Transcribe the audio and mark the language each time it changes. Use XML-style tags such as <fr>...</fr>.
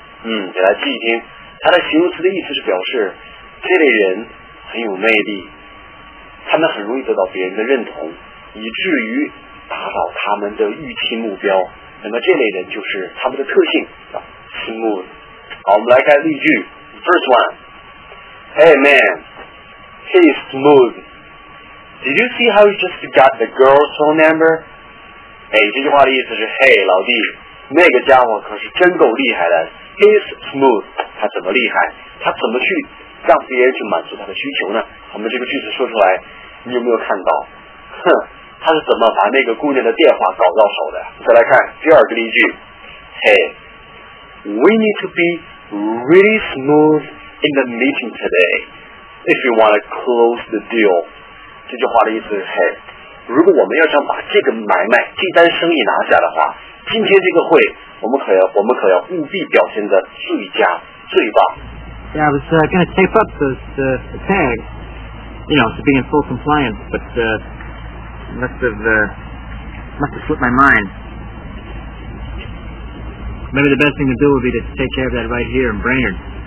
<zh>给大家记一听，它的形容词的意思是表示这类人很有魅力，他们很容易得到别人的认同，以至于达到他们的预期目标。那么这类人就是他们的特性叫 smooth。好，我们来看例句。</zh> <en>First one， Hey man， he is smooth， Did you see how he just got the girl's phone number？</en> <zh>这句话的意思是，嘿老弟，那个家伙可是真够厉害的。</zh> <en>Is smooth，</en> <zh>他怎么厉害？他怎么去让别人去满足他的需求呢？我们这个句子说出来，你有没有看到？哼，他是怎么把那个姑娘的电话搞到手的？再来看第二个例句。</zh> <en>Hey， we need to be really smooth in the meeting today if you want to close the deal。</en> <zh>这句话的意思是，如果我们要想把这个买卖、这单生意拿下的话，今天这个会。我们可要务必表现得最佳、最棒。</zh> <en>Yeah, I was going to tape up the tag, you know, to be in full compliance, but must have slipped my mind. Maybe the best thing to do would be to take care of that right here in Brainerd.</en>